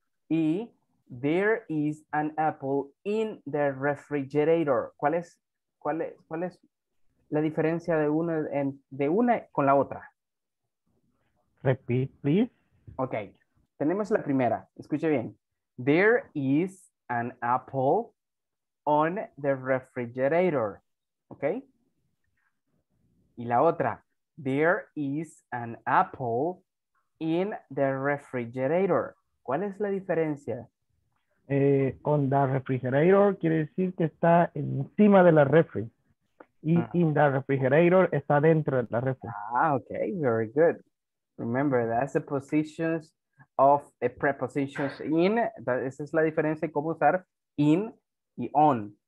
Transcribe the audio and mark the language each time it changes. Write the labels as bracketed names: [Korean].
[English] Y there is an apple in the refrigerator. [Spanish] ¿Cuál es la diferencia de una con la otra? [English] Repeat, please. Okay. [Spanish] Tenemos la primera. Escuche bien. [English] There is an apple on the refrigerator. Okay. [Spanish] Y la otra. [English] There is an apple in the refrigerator. [Spanish] ¿Cuál es la diferencia? [English] On the refrigerator [Spanish] quiere decir que está encima de la refri. Y [English] in the refrigerator [Spanish] está dentro de la refri. [English] Okay, very good. Remember, that's the positions of a prepositions in. [Spanish] Esa es la diferencia de cómo usar in y on.